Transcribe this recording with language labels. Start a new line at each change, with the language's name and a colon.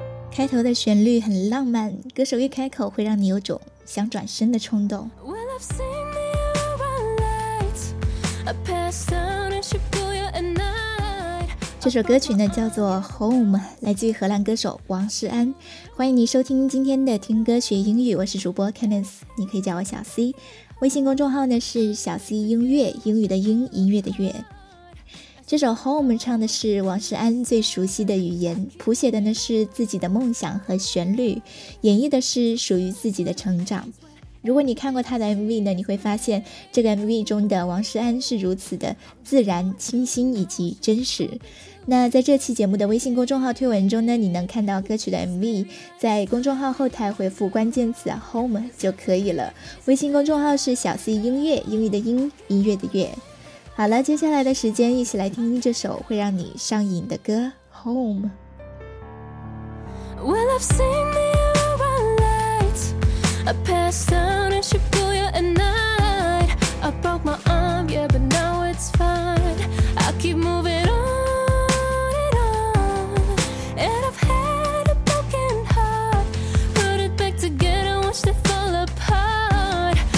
Chinese: 开头的旋律很浪漫，歌手一开口会让你有种想转身的冲动。
English: Well, I've seen the aurora lights, I passed down in Shibuya at night.
Chinese: 这首歌曲呢叫做 Home， 来自于荷兰歌手王诗安。欢迎你收听今天的听歌学英语，我是主播 Candice， 你可以叫我小 C。微信公众号呢是小 C 音乐，英语的英，音乐的乐。这首 Home 唱的是王诗安最熟悉的语言，谱写的呢是自己的梦想和旋律，演绎的是属于自己的成长。如果你看过他的 MV 呢，你会发现这个 MV 中的王诗安是如此的自然、清新以及真实。那在这期节目的微信公众号推文中呢，你能看到歌曲的 MV， 在公众号后台回复关键词 Home 就可以了。微信公众号是小 C 音乐，英语的英，音乐的乐。好了，接下来的时间一起来听听这首会让你上瘾的歌 Home。
English: Well, I've seen the aurora lights, I passed down in Shibuya at night. I broke my arm, yeah, but now it's fine. I keep moving on and on. And I've had a broken heart, put it back together, watched it fall apart.